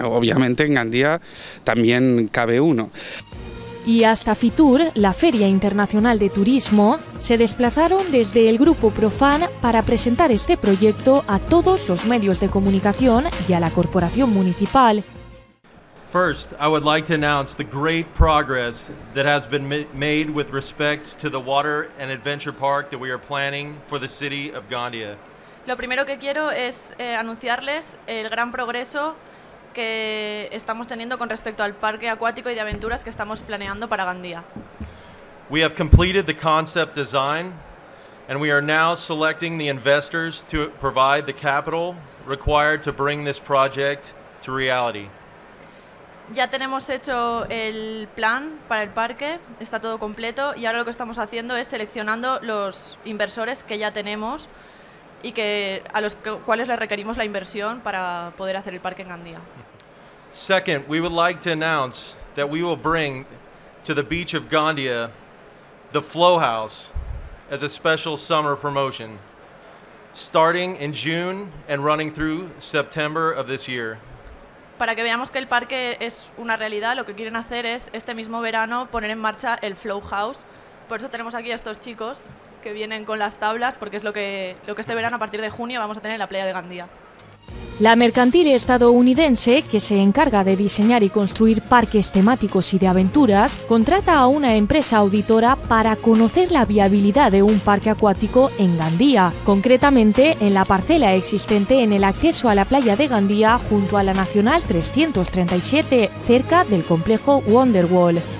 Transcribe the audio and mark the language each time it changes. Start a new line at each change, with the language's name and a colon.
Spanish: Obviamente en Gandía también cabe uno. Y hasta Fitur, la Feria Internacional de Turismo, se desplazaron desde el grupo Profan para presentar este proyecto a todos los medios de comunicación y a la Corporación Municipal.
English: First, I would like to announce the great progress that has been made with respect to the water and adventure park that we are planning for the city of Gandia.
Spanish: Lo primero que quiero es anunciarles el gran progreso que estamos teniendo con respecto al parque acuático y de aventuras que estamos planeando para Gandia.
English: We have completed the concept design and we are now selecting the investors to provide the capital required to bring this project to reality.
Spanish: Ya tenemos hecho el plan para el parque, está todo completo y ahora lo que estamos haciendo es seleccionando los inversores que ya tenemos y que a los cuales les requerimos la inversión para poder hacer el parque en Gandía.
English: Second, we would like to announce that we will bring to the beach of Gandia the Flow House as a special summer promotion, starting in June and running through September of this year.
Spanish: Para que veamos que el parque es una realidad, lo que quieren hacer es este mismo verano poner en marcha el Flow House. Por eso tenemos aquí a estos chicos que vienen con las tablas, porque es lo que este verano, a partir de junio, vamos a tener en la playa de Gandía. La mercantil estadounidense, que se encarga de diseñar y construir parques temáticos y de aventuras, contrata a una empresa auditora para conocer la viabilidad de un parque acuático en Gandía, concretamente en la parcela existente en el acceso a la playa de Gandía junto a la Nacional 337, cerca del complejo Wonderwall.